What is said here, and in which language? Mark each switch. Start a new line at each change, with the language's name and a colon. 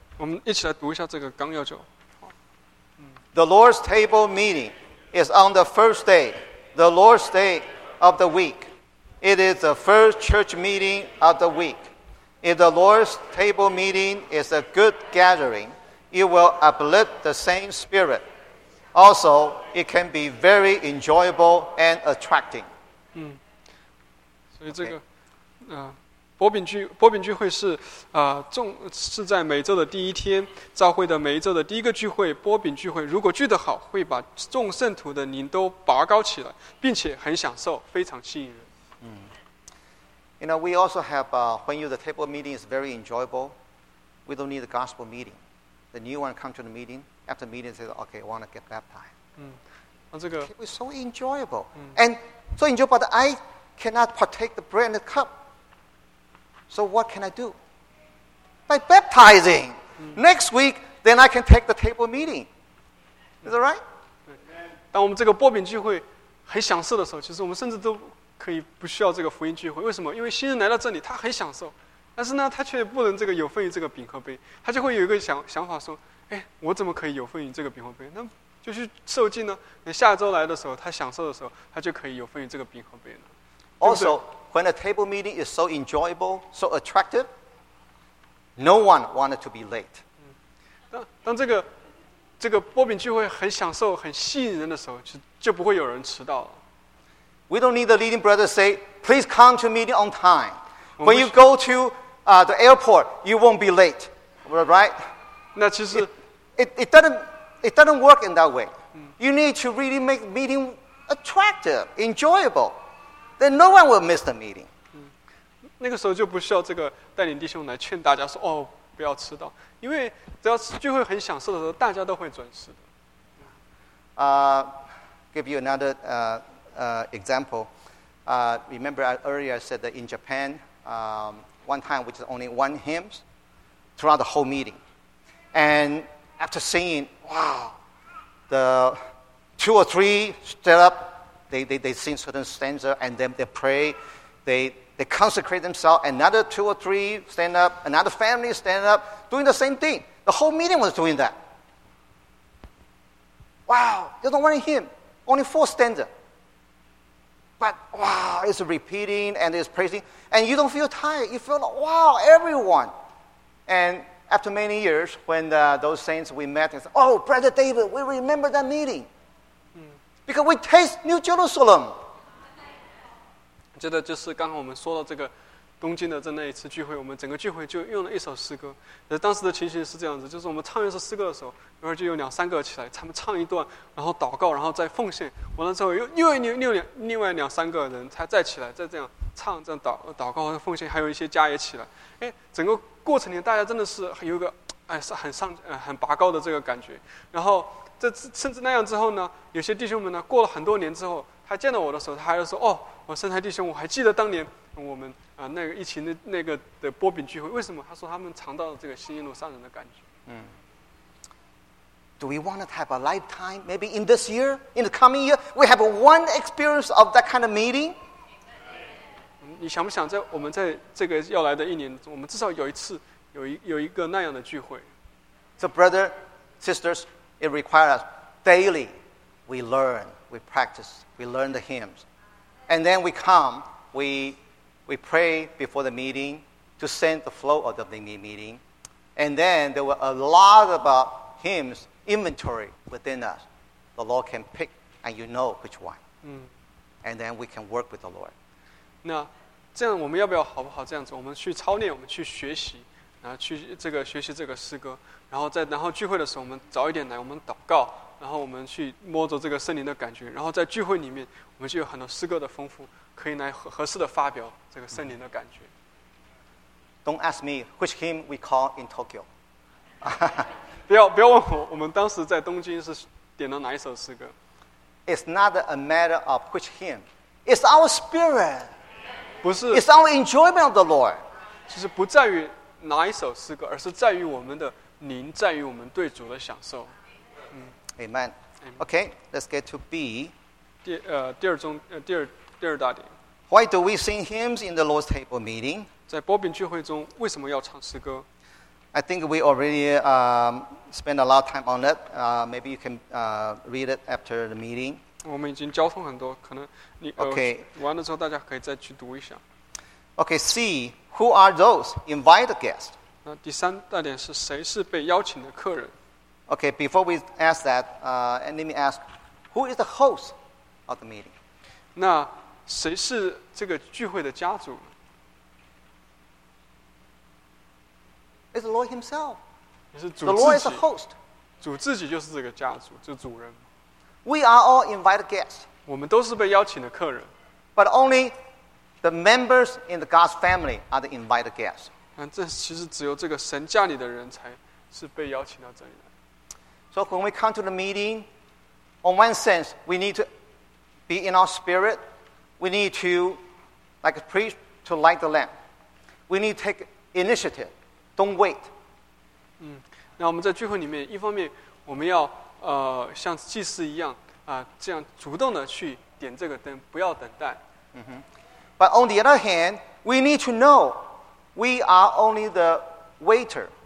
Chinese: 我们一起来读一下这个纲要就。
English: The Lord's Table meeting is on the first day, the Lord's Day of the week. It is the first church meeting of the week. If the Lord's Table meeting is a good gathering, it will uplift the same spirit. Also, it can be very enjoyable and attracting.
Chinese: 所以这个，薄饼聚会是在每周的第一天，召会的每一周的第一个聚会，薄饼聚会，如果聚得好，会把众圣徒的灵都拔高起来，并且很享受，非常吸引人。
English: You know, we also have, when the table meeting is very enjoyable, we don't need the gospel meeting. The new one come to the meeting. After the meeting, says, okay, I want to get baptized. It was so enjoyable. And so enjoyable that I cannot partake the bread and the cup. So what can I do? By baptizing. Next week, then I can take the table meeting. Is that right?
Chinese: 当我们这个薄饼聚会很享受的时候，其实我们甚至都可以不需要这个福音聚会。为什么？因为新人来到这里，他很享受。但是呢，他却不能这个有份于这个饼和杯。他就会有一个想法说，我怎么可以有份于这个饼和杯？那就去受浸呢。那下周来的时候，他享受的时候，他就可以有份于这个饼和杯呢。
English: Also, when a table meeting is so enjoyable, so attractive, no one wanted to be late.
Chinese: 当这个薄饼聚会很享受、很吸引人的时候，就不会有人迟到了。
English: We don't need the leading brother to say, "Please come to meeting on time." When you go to the airport, you won't be late. Right? That
Chinese: 其实
English: it doesn't work in that way. You need to really make meeting attractive, enjoyable. Then no one will miss the meeting.
Chinese: 那个时候就不需要这个带领弟兄来劝大家说哦不要迟到，因为只要聚会很享受的时候，大家都会准时的。
English: Give you another example. Remember earlier I said that in Japan, one time which is only one hymns throughout the whole meeting. And after singing, wow, the two or three stand up, they sing certain stanza, and then they pray, they consecrate themselves, another two or three stand up, another family stand up, doing the same thing. The whole meeting was doing that. Wow, you don't want to hear, only four stanza. But wow, it's repeating, and it's praising, and you don't feel tired, you feel like, wow, everyone. AndAfter many years, when those saints we met, and said, oh, Brother David, we remember that meeting. Because we taste New Jerusalem.
Chinese: 觉得就是刚刚我们说到这个东京的那一次聚会，我们整个聚会就用了一首诗歌。当时的情形是这样子，就是我们唱一首诗歌的时候，一会儿就有两三个起来，他们唱一段，然后祷告，然后再奉献。完了之后另外两三个人才再起来，再这样唱，这样祷告和奉献，还有一些家也起来。整个过程里大家真的是有一个很拔高的这个感觉。然后这甚至那样之后呢，有些弟兄们呢过了很多年之后，他见到我的时候，他还说，哦，我圣台弟兄，我还记得当年我们那个一起那个的薄饼聚会，为什么？他说他们尝到了这个新耶路撒冷的感觉。
English: Do we want to have a lifetime? Maybe in this year, in the coming year, we have one experience of that kind of meeting?
Chinese: 你想不想在我们在这个要来的一年中，我们至少有一次有一个那样的聚会
English: ？So, brother, sisters, it requires daily. We learn, we practice, we learn the hymns, and then we come. We pray before the meeting to send the flow of the meeting, and then there were a lot of hymns inventory within us. The Lord can pick, and you know which one. And then we can work with the Lord.
Chinese: 那这样我们要不要好不好这样子，我们去操练，我们去学习，然后去这个学习这个诗歌，然后聚会的时候我们早一点来，我们祷告，然后我们去摸着这个圣灵的感觉，然后在聚会里面我们就有很多诗歌的丰富，可以来合适的发表这个圣灵的感觉。
English: Don't ask me which hymn we call in Tokyo.
Chinese: 不要问我，我们当时在东京是点了哪一首诗歌。
English: It's not a matter of which hymn. It's our spirit.
Chinese: 不是。
English: It's our enjoyment of the Lord.
Chinese: 其实不在于哪一首诗歌，而是在于我们的灵，在于我们对主的享受。
English: Amen. Okay, let's get to B.
Chinese: 第二大点。
English: Why do we sing hymns in the Lord's table meeting?
Chinese: 在薄饼聚会中，为什么要唱诗歌？
English: I think we already spend a lot of time on that. Maybe you can read it after the meeting.
Chinese: 我们已经交通很多，可能你完了之后，大家可以再去读一下。
English: Okay, C. Who are those invited guests?
Chinese: 那第三大点是谁是被邀请的客人？
English: Okay, before we ask that, let me ask, who is the host of the meeting?
Chinese: 那谁是这个聚会的家主？
English: It's the Lord himself. The Lord is the host.
Chinese: 主自己就是这个家族，就是主人。
English: We are all invited guests.
Chinese: 我们都是被邀请的客人。
English: But only the members in the God's family are the invited guests.
Chinese: 但这其实只有这个神家里的人才是被邀请到这里来。
English: So when we come to the meeting, on one sense, we need to be in our spirit. We need to, like a priest, to light the lamp. We need to take initiative. Don't wait.
Chinese: 那我们在聚会里面，一方面我们要像祭司一样这样主动的去点这个灯，不要等待。
English: But on the other hand, we need to know we are only the waiter.